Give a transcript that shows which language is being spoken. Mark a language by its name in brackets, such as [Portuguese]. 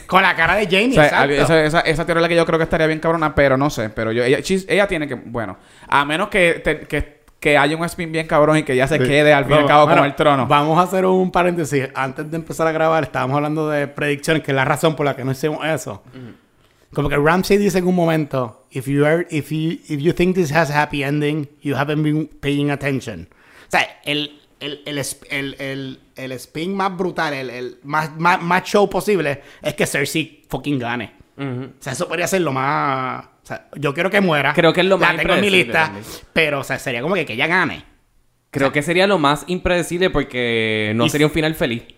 [Spanish] Con la cara de Jaime, exacto. Esa teoría es la que yo creo que estaría bien cabrona. Pero no sé. Pero yo, ella tiene que... Bueno. A menos que haya un spin bien cabrón y que ya se quede al fin y al cabo con el trono. Vamos a hacer un paréntesis. Antes de empezar a grabar, estábamos hablando de predicciones, que es la razón por la que no hicimos eso. Como que Ramsay dice en un momento, [English] if you think this has a happy ending, you haven't been paying attention. [Spanish] O sea, el spin más brutal, el más show posible, es que Cersei fucking gane. Uh-huh. O sea, eso podría ser lo más... O sea, yo quiero que muera. Creo que es lo más impredecible. La tengo en mi lista. Pero, o sea, sería como que ella gane. Creo que sería lo más impredecible porque no sería un final feliz.